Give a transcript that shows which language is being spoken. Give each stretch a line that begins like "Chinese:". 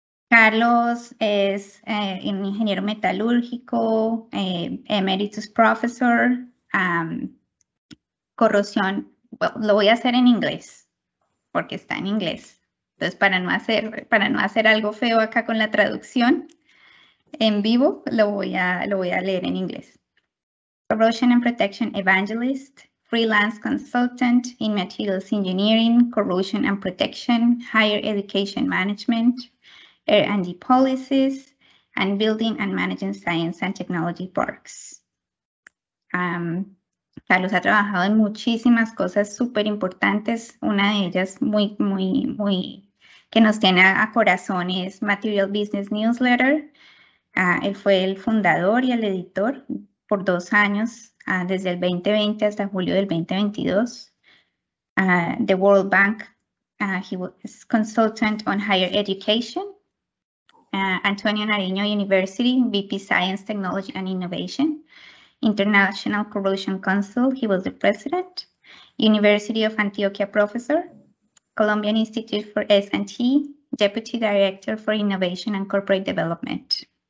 Spanish: Carlos es un ingeniero metalúrgico,
English: emeritus professor,
Spanish: corrosión. Well, lo voy a hacer en inglés porque está en inglés. Entonces, para no hacer algo feo acá con la traducción en vivo, lo voy a leer en inglés.
English: Corrosion and Protection Evangelist, Freelance Consultant in Materials Engineering, Corrosion and Protection, Higher Education Management, Air and Sea Policies, and Building and Managing Science and Technology Parks.
Spanish: Carlos ha trabajado en muchísimas cosas súper importantes. Una de ellas muy que nos tiene a corazón es Material Business Newsletter. Él fue el fundador y el editor por 2 años, desde el 2020 hasta julio del 2022.
English: The World Bank, he was consultant on higher education. Antonio Nariño University, VP Science, Technology and Innovation. International Corrosion Council, he was the president. University of Antioquia professor. Colombian Institute for S&T, Deputy Director for Innovation and Corporate Development.